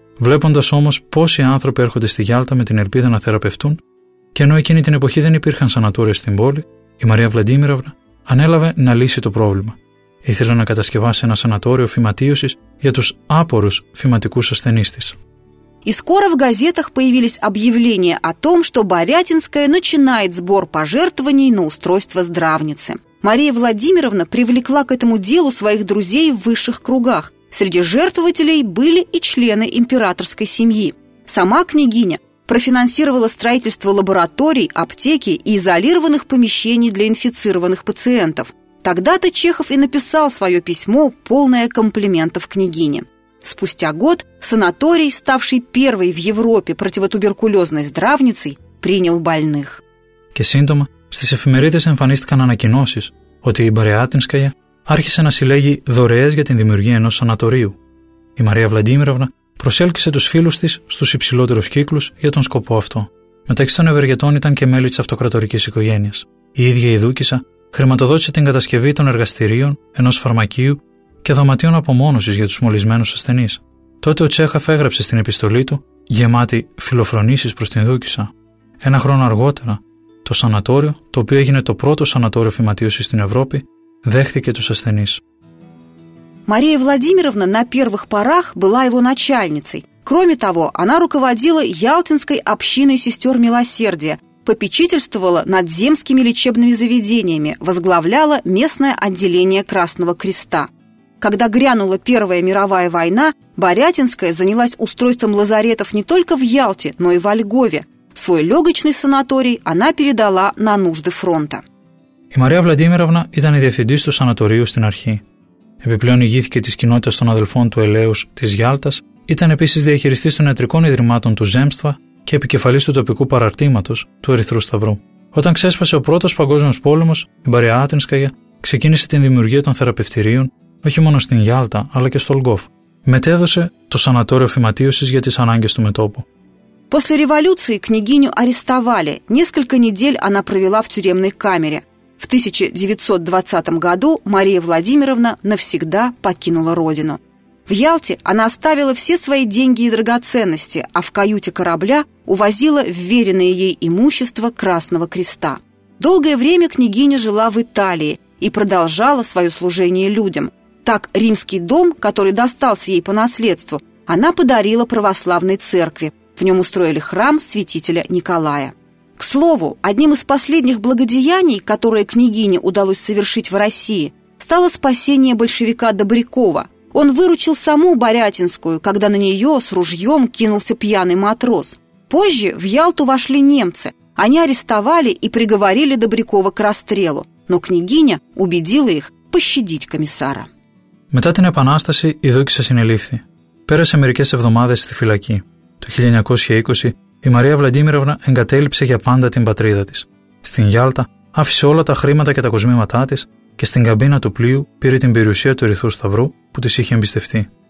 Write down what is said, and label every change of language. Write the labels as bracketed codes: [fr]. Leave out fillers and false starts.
[el] Βλέποντας όμως πόσοι άνθρωποι έρχονται στη Γιάλτα με την ελπίδα να θεραπευτούν, και ενώ εκείνη την εποχή δεν υπήρχαν σανατόρια στην πόλη, η Μαρία Βλαντίμιροβνα ανέλαβε να λύσει το πρόβλημα. Ήθελε να κατασκευάσει ένα σανατόριο φυματίωσης για τους άπορους φυματικούς ασθενείς της. [ru] И скоро в газетах появились объявления о том, что Борятинская начинает сбор пожертвований на устройство здравницы. Мария Владимировна привлекла к этому делу своих друзей в высших кругах. Среди жертвователей были и члены императорской семьи. Сама княгиня профинансировала строительство лабораторий, аптеки и изолированных помещений для инфицированных пациентов. Тогда-то Чехов и написал свое письмо, полное комплиментов княгине. Спустя год санаторий, ставший первой в Европе противотуберкулезной здравницей, принял больных. [el] Και σύντομα στις εφημερίδες εμφανίστηκαν ανακοινώσεις ότι η Μπαριάτινσκαγια άρχισε να συλλέγει δωρεές για την δημιουργία ενός σανατορίου. Η Μαρία Βλαντίμιροβνα προσέλκυσε τους φίλους της στους υψηλότερους κύκλους για τον σκοπό αυτό. Μεταξύ των ευεργετών ήταν και μέλη της αυτοκρατορικής οικογένειας. Η ίδια η Δούκισσα χρηματοδότησε την κατασκευή των εργαστηρίων, ενός φαρμακείου και δωματίων απομόνωσης για τους μολυσμένους ασθενείς. Τότε ο Τσέχαφ έγραψε στην επιστολή του, γεμάτη φιλοφρονήσεις προς την Δούκισσα. Ένα χρόνο αργότερα, το σανατόριο, το οποίο έγινε το πρώτο σανατόριο φυματίωσης στην Ευρώπη, δέχθηκε τους ασθενείς. [ru] Мария Владимировна на первых порах была его начальницей. Кроме того, она руководила Ялтинской общиной сестер милосердия, попечительствовала над земскими лечебными заведениями, возглавляла местное отделение Красного Креста. Когда грянула Первая мировая война, Борятинская занялась устройством лазаретов не только в Ялте, но и во Львове. Свой легочный санаторий она передала на нужды фронта. [el] Η Μαρία Βλαντίμηρωνα ήταν η διευθυντής του σανατορίου στην αρχή. Επιπλέον ηγήθηκε της κοινότητας των αδελφών του Ελέους της Γιάλτας, ήταν επίσης διαχειριστής των ιατρικών ιδρυμάτων του Ζέμστβα και επικεφαλής του τοπικού παραρτήματος του Ερυθρού Σταυρού. Όταν ξέσπασε ο πρώτος παγκόσμιος πόλεμος, η Μαρία Άτρινσκαγια ξεκίνησε την δημιουργία των θεραπευτηρίων όχι μόνο στην Γιάλτα αλλά και στο Λγκόφ. Μετέδωσε το σανατόριο φυματίωσης για τις ανάγκες του μετόπου. [ru] После революции княгиню арестовали. Несколько недель она провела в тюремной камере. В 1920 году Мария Владимировна навсегда покинула родину. В Ялте она оставила все свои деньги и драгоценности, а в каюте корабля увозила вверенное ей имущество Красного Креста. Долгое время княгиня жила в Италии и продолжала свое служение людям. Так римский дом, который достался ей по наследству, она подарила православной церкви. В нем устроили храм святителя Николая. К слову, одним из последних благодеяний, которые княгине удалось совершить в России, стало спасение большевика Добрякова. Он выручил саму Борятинскую, когда на нее с ружьем кинулся пьяный матрос. Позже в Ялту вошли немцы. Они арестовали и приговорили Добрякова к расстрелу. Но княгиня убедила их пощадить комиссара. [el] Μετά την επανάσταση, η Δούκισσα συνελήφθη. Πέρασε μερικές εβδομάδες στη φυλακή. Το 1920 η Μαρία Βλαντίμηρωνα εγκατέλειψε για πάντα την πατρίδα της. Στην Γιάλτα άφησε όλα τα χρήματα και τα κοσμήματά της και στην καμπίνα του πλοίου πήρε την περιουσία του Ερυθρού Σταυρού που της είχε εμπιστευτεί.